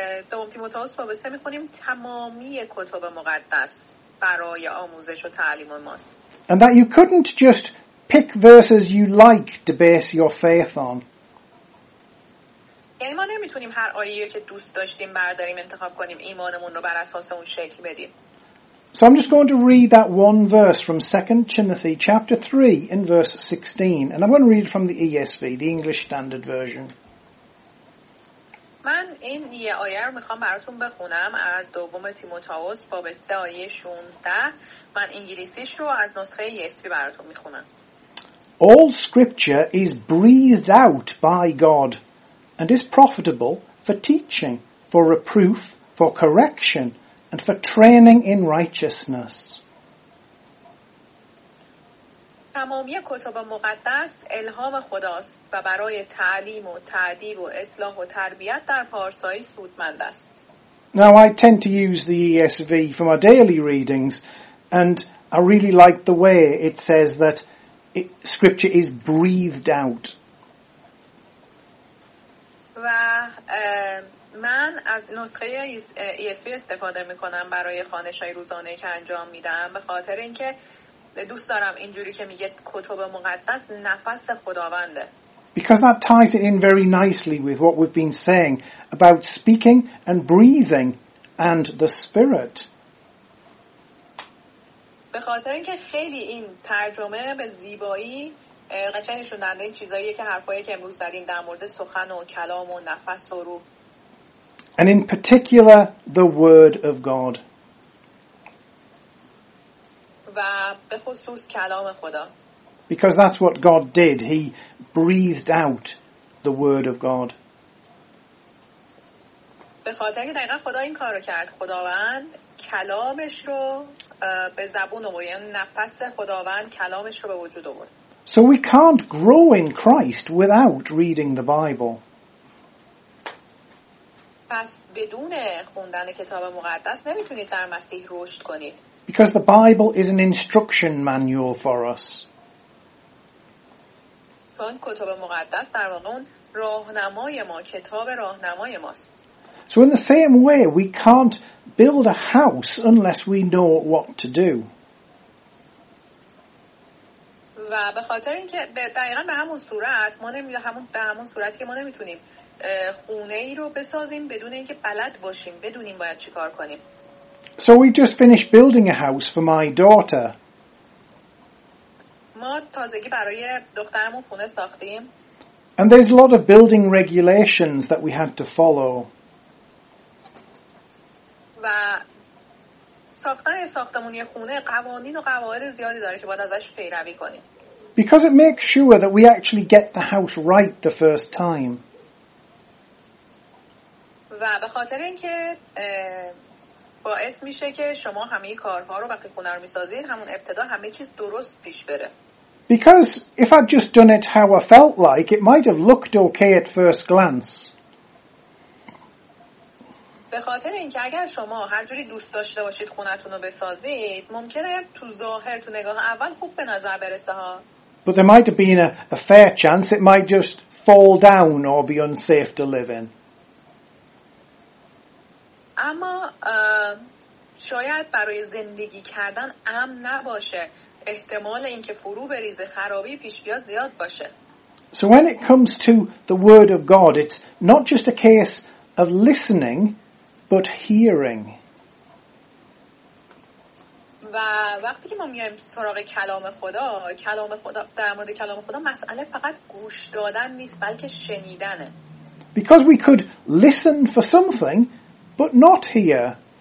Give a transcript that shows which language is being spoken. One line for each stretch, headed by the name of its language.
Persian: دوم تیموتائوس باب 3 می‌خونیم تمامی کتب مقدس برای آموزش و تعلیم ماست.
English: And that you couldn't just pick verses you like to base your faith on.
Persian: ما نمیتونیم هر آیه‌ای که دوست داشتیم برداریم انتخاب کنیم ایمانمون رو بر اساس اون شکل بدیم.
English: So I'm just going to read that one verse from 2 Timothy chapter 3 in verse 16 and I'm going to read it from the ESV, the English Standard Version.
Persian: من این یه آیه رو میخوام براتون بخونم از دوم تیموتائوس باب 3 آیه 16. من انگلیسیش رو از نسخه ESV براتون میخونم.
English: All scripture is breathed out by God and is profitable for teaching, for reproof, for correction, and for training in righteousness.
Persian: تمامی کتب مقدس الهام خداست و برای تعلیم و تأدیب و اصلاح و تربیت در پارسایی سودمند است.
English: Now I tend to use the ESV for my daily readings and I really like the way it says that scripture is breathed out.
Persian: و من از نسخه ESV استفاده میکنم برای خوانش‌های روزانه که انجام میدم به خاطر اینکه دوست دارم اینجوری که میگه کتب مقدس نفس خداونده.
English: Because that ties it in very nicely with what we've been saying about speaking and breathing and the Spirit.
Persian: به خاطر اینکه خیلی این ترجمه به زیبایی قشنگ نشون داده این چیزایی که حرفایی که امروز زدیم در مورد سخن و کلام و نفس و روح.
English: And in particular the word of God.
Persian: و به خصوص کلام خدا.
English: Because that's what God did. He breathed out the word of God.
Persian: به خاطر اینکه دقیقاً خدا این کارو کرد. خداوند کلامش رو به زبون آورد. یعنی نفس خداوند کلامش رو به وجود آورد.
English: So we can't grow in Christ without reading the Bible.
Persian: پس بدون خوندن کتاب مقدس نمیتونید در مسیح رشد کنید.
English: Because the Bible is an instruction manual for us.
Persian: چون کتاب مقدس در واقع اون راهنمای ما، کتاب راهنمای ماست.
English: So in the same way, we can't build a house unless we know what to do.
Persian: و به خاطر اینکه دقیقاً به همون صورت ما نمی‌تونیم به همون صورتی که ما نمی‌تونیم خونه‌ای رو بسازیم بدون اینکه بلد باشیم، بدونیم باید چیکار کنیم.
English: So we just finished building a house for my daughter.
Persian: ما تازگی برای دخترمون خونه ساختیم.
English: And there's a lot of building regulations that we had to follow.
Persian: و ساختن ساختمون یه خونه قوانین و قواعد زیادی داره که باید ازش پیروی کنیم.
English: Because it makes sure that we actually get the house right the first time.
Persian: و به خاطر اینکه باعث میشه که شما همه کارها رو وقتی خونه رو می‌سازید همون ابتدا همه چیز درست پیش بره.
English: Because if I'd just done it how I felt like, it might have looked okay at first glance.
Persian: به خاطر اینکه اگر شما هر جوری دوست داشته باشید خونتون رو بسازید، ممکنه تو ظاهر تو نگاه اول خوب به نظر برسه ها.
English: But there might have been a fair chance it might just fall down or be unsafe to live in.
Persian: اما شاید برای زندگی کردن امن نباشه. احتمال اینکه فرو بریزه خرابی پیش بیاد زیاد باشه.
English: So when it comes to the word of God, it's not just a case of listening, but hearing.
Persian: و وقتی که ما میایم سراغ کلام خدا، کلام خدا در مورد کلام خدا مسئله فقط گوش دادن نیست، بلکه شنیدنه.
English: Because we could listen for something, but not hear.